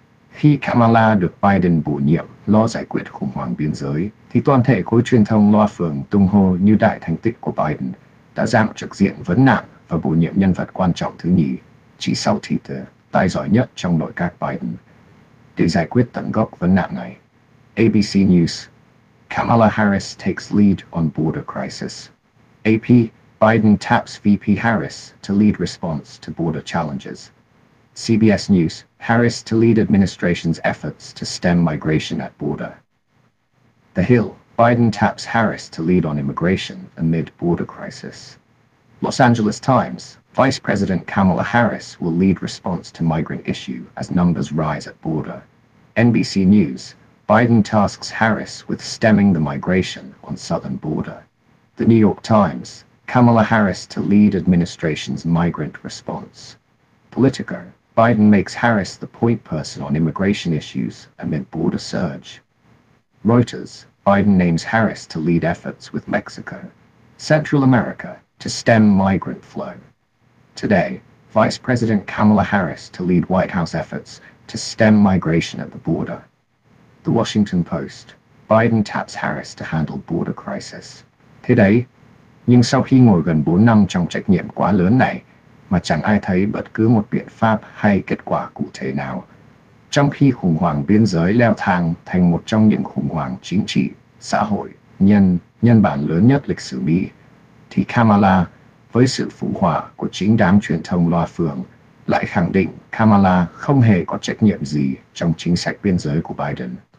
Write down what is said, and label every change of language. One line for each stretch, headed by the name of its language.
Vietnamese: Khi Kamala được Biden bổ nhiệm lo giải quyết khủng hoảng biên giới, thì toàn thể khối truyền thông loa phường tung hô như đại thành tích của Biden đã giảm trực diện vấn nạn và bổ nhiệm nhân vật quan trọng thứ nhì, chỉ sau Peter, tài giỏi nhất trong nội các Biden, để giải quyết tận gốc vấn nạn này.
English: ABC News: Kamala Harris takes lead on border crisis. AP: Biden taps VP Harris to lead response to border challenges. CBS News: Harris to lead administration's efforts to stem migration at border. The Hill: Biden taps Harris to lead on immigration amid border crisis. Los Angeles Times: Vice President Kamala Harris will lead response to migrant issue as numbers rise at border. NBC News: Biden tasks Harris with stemming the migration on southern border. The New York Times: Kamala Harris to lead administration's migrant response. Politico: Biden makes Harris the point person on immigration issues amid border surge. Reuters: Biden names Harris to lead efforts with Mexico, Central America to stem migrant flow. Today: Vice President Kamala Harris to lead White House efforts to stem migration at the border. The Washington Post: Biden taps Harris to handle border crisis.
Vietnamese: Thế đấy, nhưng sau khi ngồi gần 4 năm trong trách nhiệm quá lớn này, mà chẳng ai thấy bất cứ một biện pháp hay kết quả cụ thể nào, trong khi khủng hoảng biên giới leo thang thành một trong những khủng hoảng chính trị, xã hội, nhân bản lớn nhất lịch sử Mỹ, thì Kamala, với sự phụ họa của chính đám truyền thông loa phường, lại khẳng định Kamala không hề có trách nhiệm gì trong chính sách biên giới của Biden.